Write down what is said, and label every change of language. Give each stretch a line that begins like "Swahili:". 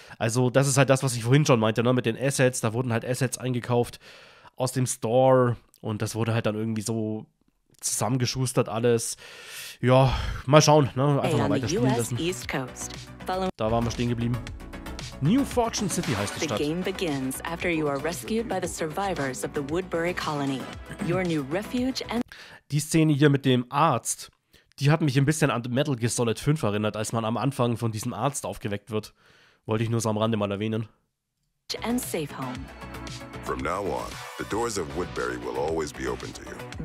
German: Also das ist halt das, was ich vorhin schon meinte, ne? Mit den Assets, da wurden halt Assets eingekauft aus dem Store und das wurde halt dann irgendwie so zusammengeschustert alles. Ja, mal schauen, ne? Einfach mal weiter spielen lassen. Da waren wir stehen geblieben. New Fortune City heißt die Stadt.
English: The game begins after you are rescued by the survivors of the Woodbury Colony. Your new refuge and...
German: Die Szene hier mit dem Arzt, die hat mich ein bisschen an Metal Gear Solid 5 erinnert, als man am Anfang von diesem Arzt aufgeweckt wird. Wollte ich nur so am Rande mal erwähnen.
English: ...and safe home. From now on, the doors of Woodbury will always be open to you.